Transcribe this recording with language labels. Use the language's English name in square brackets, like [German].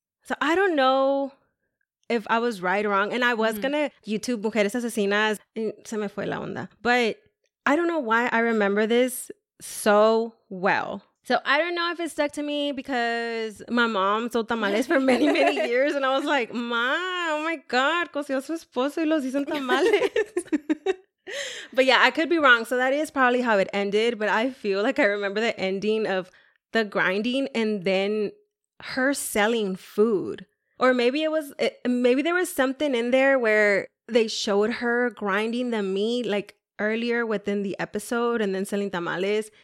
[English] So I don't know if I was right or wrong. And I was going to YouTube Mujeres Asesinas. [Spanish] Se me fue la onda. [English] But I don't know why I remember this so well. So I don't know if it stuck to me because my mom sold tamales for many, many years. And I was like, Ma, oh my God, [Spanish] coció su esposo y los hizo tamales. [English] But yeah, I could be wrong. So that is probably how it ended. But I feel like I remember the ending of the grinding and then her selling food. Or maybe it was, maybe there was something in there where they showed her grinding the meat, like, earlier within the episode and then selling tamales.